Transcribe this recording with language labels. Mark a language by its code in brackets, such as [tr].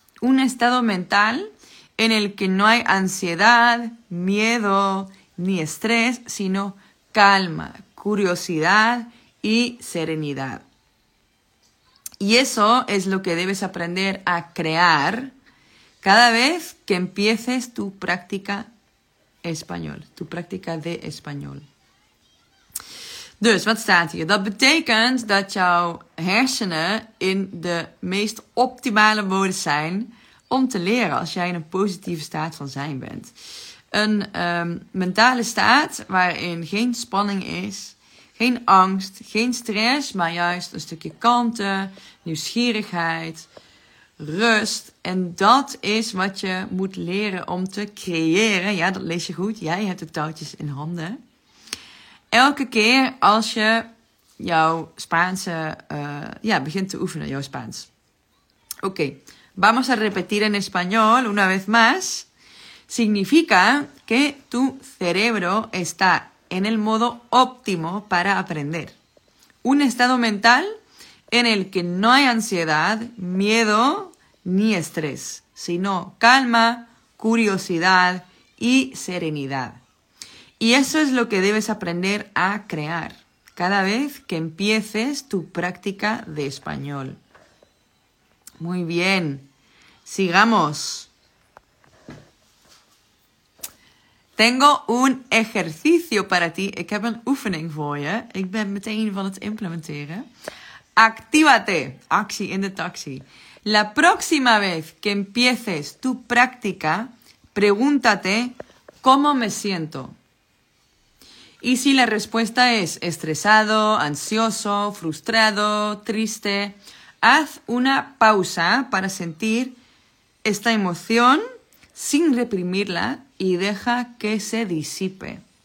[es] Un estado mental en el que no hay ansiedad, miedo ni estrés, sino calma, curiosidad y serenidad. Y eso es lo que debes aprender a crear cada vez que empieces tu práctica español, tu práctica de español. [nl] Dus, wat staat hier? Dat betekent dat jouw hersenen in de meest optimale mode zijn om te leren als jij in een positieve staat van zijn bent. Een mentale staat waarin geen spanning is, geen angst, geen stress, maar juist een stukje kalmte, nieuwsgierigheid, rust. En dat is wat je moet leren om te creëren. Ja, dat lees je goed. Jij hebt de touwtjes in handen. Elke keer als je jouw Spaanse begint te oefenen, jouw Spaans. [es] Oké, vamos a repetir en español una vez más. Significa que tu cerebro está en el modo óptimo para aprender. Un estado mental en el que no hay ansiedad, miedo ni estrés, sino calma, curiosidad y serenidad. Y eso es lo que debes aprender a crear cada vez que empieces tu práctica de español. Muy bien, sigamos. Tengo un ejercicio para ti. [nl] Ik heb een oefening voor je. Ik ben meteen van het implementeren. Actívate. Actie in de taxi. [es] La próxima vez que empieces tu práctica, pregúntate cómo me siento. Y si la respuesta es estresado, ansioso, frustrado, triste, haz una pausa para sentir esta emoción sin reprimirla y deja que se disipe.